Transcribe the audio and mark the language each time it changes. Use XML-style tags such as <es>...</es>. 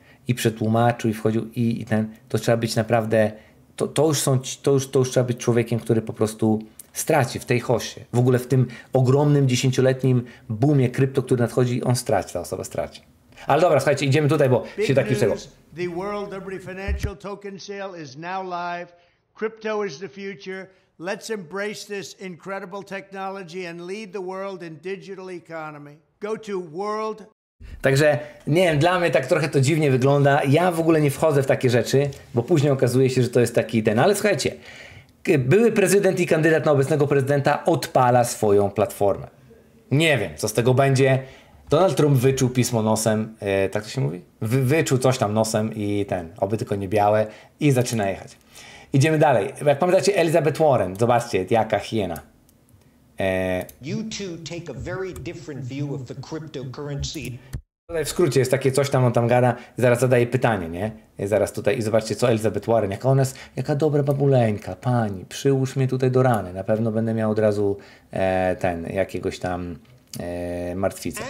<pl>I przetłumaczył, i wchodził, i ten, to trzeba być naprawdę, to już trzeba być człowiekiem, który po prostu straci w tej hossie. W ogóle w tym ogromnym 10-letnim boomie krypto, który nadchodzi, on straci, ta osoba straci. Ale dobra, słuchajcie, idziemy tutaj, bo big się tak już tego.</pl> <en>The World Liberty Financial Token Sale is now live. Crypto is the future. Let's embrace this incredible technology and lead the world in digital economy. Go to world.</en> <pl>Także, nie wiem, dla mnie tak trochę to dziwnie wygląda. Ja w ogóle nie wchodzę w takie rzeczy, bo później okazuje się, że to jest taki ten. Ale słuchajcie, były prezydent i kandydat na obecnego prezydenta odpala swoją platformę. Nie wiem, co z tego będzie. Donald Trump wyczuł pismo nosem, tak to się mówi? Wyczuł coś tam nosem i ten, oby tylko nie białe, i zaczyna jechać. Idziemy dalej. Jak pamiętacie, Elizabeth Warren, zobaczcie, jaka hiena.</pl> <en>You two take a very different view of the cryptocurrency.</en> <pl>Tutaj w skrócie jest takie coś tam, on tam gada, zaraz zadaje pytanie, nie? Zaraz tutaj i zobaczcie, co Elizabeth Warren, jaka ona jest, jaka dobra babuleńka, pani, przyłóż mnie tutaj do rany, na pewno będę miał od razu ten, jakiegoś tam martwicę.</pl>